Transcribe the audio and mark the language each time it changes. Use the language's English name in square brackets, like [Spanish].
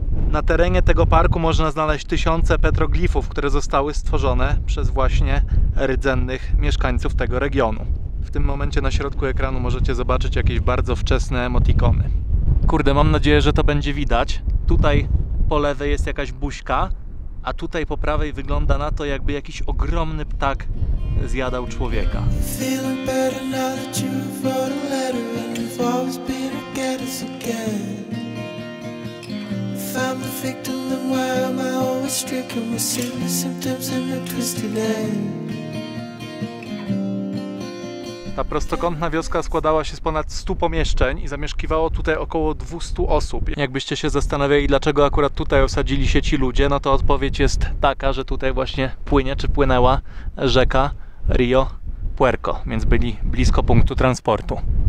[Polish] Na terenie tego parku można znaleźć tysiące petroglifów, które zostały stworzone przez właśnie rdzennych mieszkańców tego regionu. W tym momencie na środku ekranu możecie zobaczyć jakieś bardzo wczesne emotikony. Kurde, mam nadzieję, że to będzie widać. Tutaj po lewej jest jakaś buźka, a tutaj po prawej wygląda na to, jakby jakiś ogromny ptak zjadał człowieka. [English] Feeling better now that you've wrote a letter and you've always been a getter's again. If I'm the victim, then why am I always stricken with sickness, symptoms and a twisted end? [Polish] Ta prostokątna wioska składała się z ponad 100 pomieszczeń i zamieszkiwało tutaj około 200 osób. Jakbyście się zastanawiali, dlaczego akurat tutaj osadzili się ci ludzie, no to odpowiedź jest taka, że tutaj właśnie płynie czy płynęła rzeka Rio Puerco, więc byli blisko punktu transportu.